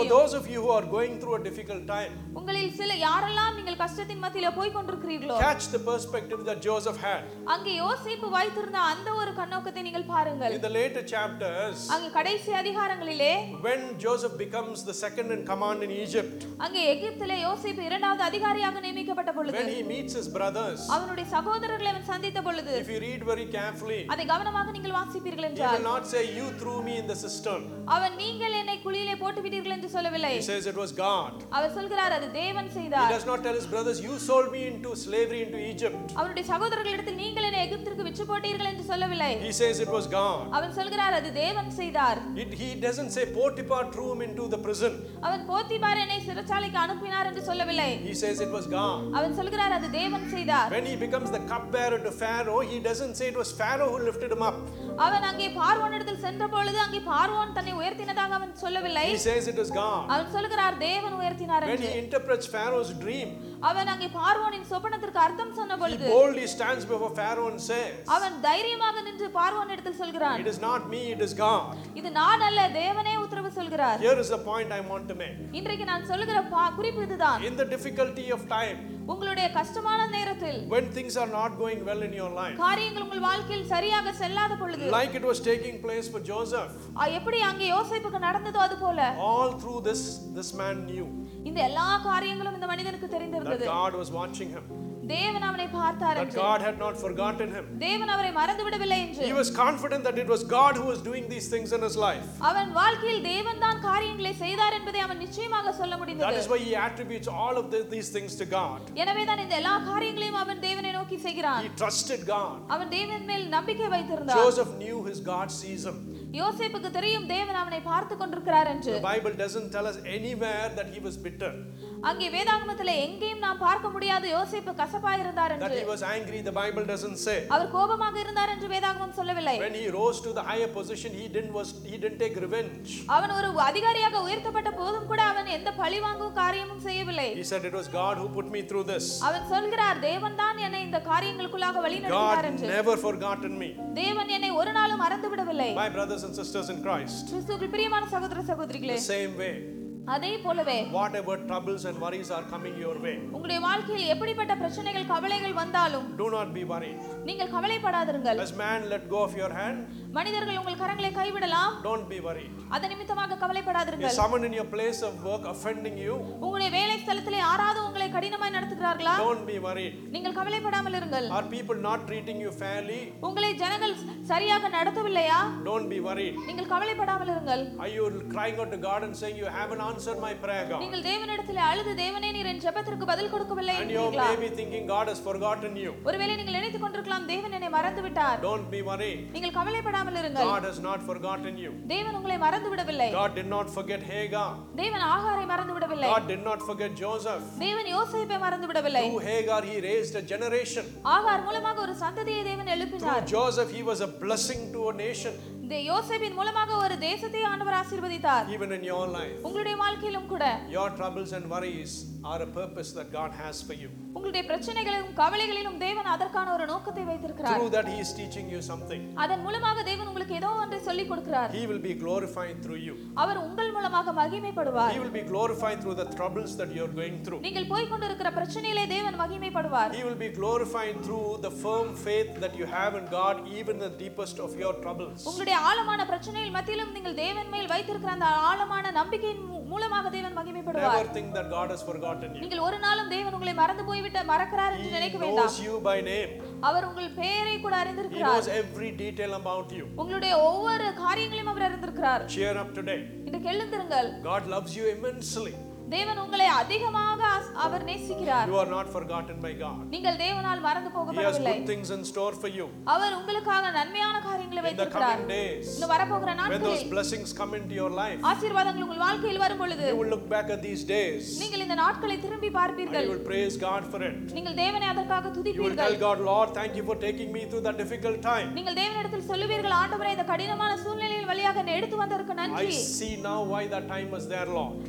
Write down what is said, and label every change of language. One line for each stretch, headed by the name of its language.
English: For those of you who are going through a difficult time.
Tamil: உங்களில் சில யாரெல்லாம் நீங்கள் கஷ்டத்தின் மத்தியிலே போய் கொண்டிருக்கிறீர்களோ.
English: Catch the perspective that Joseph had.
Tamil: அங்கே யோசேப்பு வைத்திருந்த அந்த ஒரு கண்ணோக்கத்தை நீங்கள் பாருங்கள்.
English: In the later chapters.
Tamil: அங்கே கடைசி அதிகாரங்களிலே.
English: When Joseph becomes the second in command in Egypt.
Tamil: அங்க எகிப்திலே யோசேப்பு இரண்டாவது அதிகாரியாக நியமிக்கப்பட்ட பொழுது.
English: When he meets his brothers.
Tamil: அவனுடைய சகோதரர்களை அவன் சந்தித்த பொழுது.
English: If you read very carefully.
Tamil: அதை கவனமாக நீங்கள் வாசிப்பீர்கள் என்றால்.
English: He will not say you threw me in the cistern.
Tamil: அவன் நீங்கள் என்னை குழியிலே போட்டு விட்டீர்கள் என்று சொல்லவில்லை.
English: He says it was God.
Tamil: அவர் சொல்கிறார் அது தேவன் செய்தார்.
English: He does not tell his brothers you sold me into slavery into Egypt.
Tamil: அவனுடைய சகோதரர்களிடத்தில் நீங்கள் என்னை எகிப்திற்கு விற்று போட்டீர்கள் என்று சொல்லவில்லை.
English: He says it was God.
Tamil: அவன் சொல்கிறார் அது தேவன் செய்தார்.
English: He doesn't say Potiphar threw him into the prison.
Tamil: அவன் போத்திபார் என்னை சிறைச்சாலைக்கு அனுப்பினார் என்று சொல்லவில்லை.
English: He says it was God.
Tamil: அவன் சொல்கிறார் அது தேவன் செய்தார்.
English: When he becomes the cupbearer to Pharaoh, he doesn't say it was Pharaoh who lifted him up.
Tamil: அவன் அங்கே பார்வோனிடத்தில் சென்றபொழுது அங்கே பார்வோன் தன்னை உயர்த்தினதாக அவன் சொல்லவில்லை.
English: He says it was God.
Tamil: அவன் சொல்கிறார் தேவன் உயர்த்தினார் என்று.
English: When he interprets Pharaoh's dream,
Tamil: அவன் அங்கே பார்வோனின் சொப்பனத்திற்கு அர்த்தம் சொன்னபொழுது,
English: he boldly stands before Pharaoh and says,
Tamil: அவன் தைரியமாக நின்று பார்வோனிடத்தில் சொல்கிறான்,
English: it is not me, it is God.
Tamil: இது நான் அல்ல, தேவனே உத்தரவு சொல்கிறார்.
English: Here is the point I want to make.
Tamil: இன்றைக்கு நான் சொல்கிற குறிப்பு இதுதான்.
English: In the difficulty of time,
Tamil: உங்களுடைய கஷ்டமான நேரத்தில்,
English: when things are not going well in your life,
Tamil: காரியங்கள் உங்கள் வாழ்க்கையில் சரியாக செல்லாத பொழுது,
English: like it was taking place for Joseph,
Tamil: எப்படி அங்கே யோசேப்புக்கு நடந்ததோ அது போல,
English: all through this man knew,
Tamil: இந்த எல்லா காரியங்களும் இந்த மனிதனுக்கு தெரிந்திருந்தது.
English: That God was watching him.
Tamil: தேவன் அவனை பார்த்தார் என்று.
English: God had not forgotten him.
Tamil: தேவன் அவரை மறந்து விடவில்லை என்று.
English: He was confident that it was God who was doing these things in his life.
Tamil: அவன் வாழ்க்கையில் தேவன்தான் காரியங்களை செய்தார் என்பதை அவன் நிச்சயமாக சொல்ல முடிந்தது.
English: That is why he attributes all of these things to God.
Tamil: எனவே தான் இந்த எல்லா காரியங்களையும் அவன் தேவனை நோக்கி செய்கிறான்.
English: He trusted God.
Tamil: அவன் தேவன் மேல் நம்பிக்கை வைத்திருந்தான்.
English: Joseph knew his God sees him.
Tamil: யோசேப்புக்கு தெரியும் தேவன் அவனை பார்த்துக் கொண்டிருக்கிறார் என்று.
English: The Bible doesn't tell us anywhere that he was bitter.
Tamil: அங்கே வேதாகமத்தில் எங்கேயும் நாம் பார்க்க முடியாது யோசேப்பு கசப்பாக இருந்தார் என்று.
English: That he was angry, the Bible doesn't say.
Tamil: அவர் கோபமாக இருந்தார் என்று வேதாகமம் சொல்லவில்லை.
English: When he rose to the higher position, he didn't take revenge.
Tamil: அவன் ஒரு அதிகாரியாக உயர்த்தப்பட்ட போதும் கூட அவன் எந்த பழிவாங்கும் காரியமும் செய்யவில்லை.
English: He said it was God who put me through this.
Tamil: அவன் சொல்கிறார் தேவன்தான் என்னை இந்த காரியங்களுக்குள்ளாக வழிநடத்தினார் என்று.
English: God never forgotten me.
Tamil: தேவன் என்னை ஒரு நாளும் மறந்து விடவில்லை.
English: My brothers and sisters in Christ.
Tamil: கிறிஸ்துவுக்குள் பிரியமான சகோதர சகோதரிகளே.
English: The same way. Whatever troubles and worries are coming your way,
Tamil: உங்களுடைய வாழ்க்கையில் எப்படிப்பட்ட பிரச்சனைகள் கவலைகள் வந்தாலும்,
English: do not be worried.
Tamil: நீங்கள் கவலைப்படாதிருங்கள்.
English: As man let go of your hand,
Tamil: மனிதர்கள் உங்கள் கரங்களை கைவிடலாம்.
English: Don't be worried.
Tamil: அதன் நிமித்தமாக கவலைப்படாதிருங்கள்.
English: If someone in your place of work offending you,
Tamil: உங்களுடைய வேலை ஸ்தலத்திலே யாராவது உங்களை கடினமாய் நடத்துகிறார்களா?
English: Don't be worried.
Tamil: நீங்கள் கவலைப்படாமல் இருங்கள்.
English: Are people not treating you fairly?
Tamil: உங்களை ஜனங்கள் சரியாக நடத்தவில்லையா?
English: Don't be worried.
Tamil: நீங்கள் கவலைப்படாமல் இருங்கள்.
English: Are you crying out to God and saying you haven't answered my prayer, God?
Tamil: நீங்கள் தேவனிடத்தில் அழுது தேவனே நீர் என் ஜெபத்திற்கு பதில் கொடுக்கவில்லை என்கிறீர்களா?
English: And you may be thinking God has forgotten you.
Tamil: ஒருவேளை நீங்கள் நினைத்துக் கொண்டிருக்கலாம் தேவன் என்னை மறந்து விட்டார்.
English: Don't be worried.
Tamil: நீங்கள் கவலைப்பட
English: God has not forgotten you.
Tamil: தேவன் உங்களை மறந்து விடவில்லை.
English: God did not forget Hagar.
Tamil: தேவன் ஆகாரை மறந்து விடவில்லை.
English: God did not forget Joseph.
Tamil: தேவன் யோசேப்பை மறந்து விடவில்லை.
English: Through Hagar he raised a generation.
Tamil: ஆகார் மூலமாக ஒரு சந்ததியை தேவன் எழுப்பினார்.
English: Through Joseph he was a blessing to a nation.
Tamil: யோசேப்பின் மூலமாக ஒரு தேசத்தை ஆண்டவர் ஆசீர்வதித்தார்.
English: Even in your life.
Tamil: உங்களுடைய வாழ்க்கையிலும் கூட.
English: Your troubles and worries are a purpose that God has for you.
Tamil: உங்களுடைய பிரச்சனைகளிலும் கவலைகளிலும் தேவன் அதற்கான ஒரு நோக்கத்தை வைத்திருக்கிறார்.
English: Through that he is teaching you something.
Tamil: அதன் மூலமாக தேவன் உங்களுக்கு ஏதோ ஒன்றை சொல்லி கொடுக்கிறார்.
English: He will be glorified through you.
Tamil: அவர் உங்கள் மூலமாக மகிமைப்படுவார்.
English: He will be glorified through the troubles that you are going through.
Tamil: நீங்கள் போய் கொண்டிருக்கிற பிரச்சனையிலே தேவன் மகிமைப்படுவார்.
English: He will be glorified through the firm faith that you have in God even in the deepest of your troubles.
Tamil: உங்களுடைய ஆழமான பிரச்சனையில் மத்தியிலும் நீங்கள் தேவன் மேல் வைத்திருக்கிற அந்த ஆழமான நம்பிக்கையின் மூலமாக தேவன் மகிமைப்படுவார்.
English: Never think that God has forgotten you.
Tamil: நீங்கள் ஒரு நாளும் தேவன் உங்களை மறந்து போய்விட்டார் மறக்கிறார் என்று நினைக்க வேண்டாம்.
English: He knows you by name.
Tamil: அவர் உங்கள் பெயரை கூட அறிந்திருக்கிறார்.
English: He knows every detail about you.
Tamil: உங்களுடைய ஒவ்வொரு காரியங்களையும் அவர் அறிந்திருக்கிறார்.
English: Cheer up today.
Tamil: இன்றைக்கு எழுந்திருங்கள்.
English: God loves you immensely.
Tamil: தேவன் உங்களை அதிகமாக அவர் நேசிக்கிறார்.
English: You are not forgotten by God.
Tamil: நீங்கள் தேவனால் மறந்து போகப்படவில்லை.
English: He has good things in store for you.
Tamil: அவர் உங்களுக்காக நன்மையான காரியங்களை வைத்திருக்கிறார்.
English: In the coming days,
Tamil: இந்த வரப்போகிற நாட்களில்,
English: when those blessings come into your life,
Tamil: ஆசீர்வாதங்கள் உங்கள் வாழ்க்கையில் வரும்பொழுது,
English: you will look back at these days.
Tamil: நீங்கள் இந்த நாட்களை திரும்பி பார்ப்பீர்கள்.
English: You will praise God for it.
Tamil: நீங்கள் தேவனை அதற்காக துதிப்பீர்கள்.
English: You will tell God, Lord, thank you for taking me through that difficult time.
Tamil: நீங்கள் தேவனிடத்தில் சொல்லுவீர்கள், ஆண்டவரே இந்த கடினமான சூழ்நிலையின் வழியாக என்னை எடுத்து வந்ததற்கு நன்றி.
English: I see now why that time was there, Lord.